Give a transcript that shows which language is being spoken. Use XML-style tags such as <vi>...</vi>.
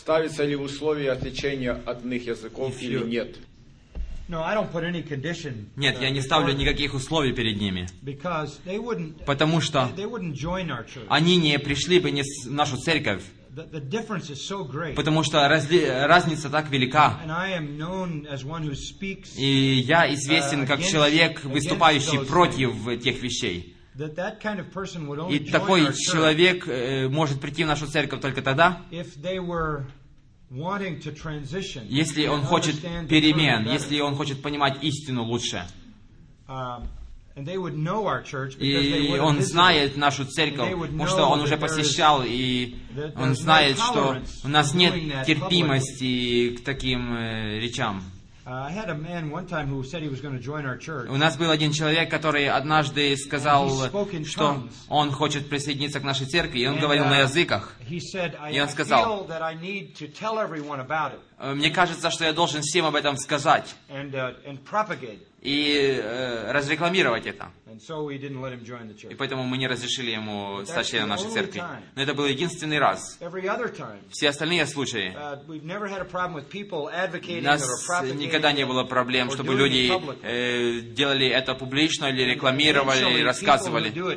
<ru>Ставятся ли условия отречения от иных языков или нет?</ru> <en>No, I don't put any condition.</en> <ru>Нет, я не ставлю никаких условий перед ними.</ru> <en>Because they wouldn't.</en> <ru>Потому что</ru> <en>they wouldn't join our church.</en> <ru>Они не пришли бы не в нашу церковь.</ru> <en>The difference is so great.</en> <ru>Потому что разница так велика.</ru> <en>And I am known as one who speaks.</en> <ru>И я известен как человек, выступающий против тех вещей.</ru> <en>That kind of person would only join our church.</en> <ru>И такой человек может прийти в нашу церковь только тогда.</ru> <en>If they were wanting to transition.</en> <ru>Если он хочет перемен, если он хочет понимать истину лучше.</ru> <en>And they would know our church because they would</en> <ru>know. И он знает нашу церковь, потому что он уже посещал, и он знает, что у нас нет терпимости к таким речам.</ru> <en>I had a man one time who said he was going to join our church.</en> <ru>У нас был один человек, который однажды сказал, что он хочет присоединиться к нашей церкви, и он говорил на языках.</ru> <en>He said, I feel that I need to tell everyone about it.</en> <ru>Мне кажется, что я должен всем об этом сказать.</ru> <en>And propagate.</en> <ru>И разрекламировать это.</ru> <en>So</en> <ru>и поэтому мы не разрешили ему стать членом нашей церкви. Но это был единственный раз.</ru> <en>Time,</en> <ru>все остальные случаи. У нас никогда не было проблем, чтобы люди делали это публично или рекламировали, или рассказывали.</ru>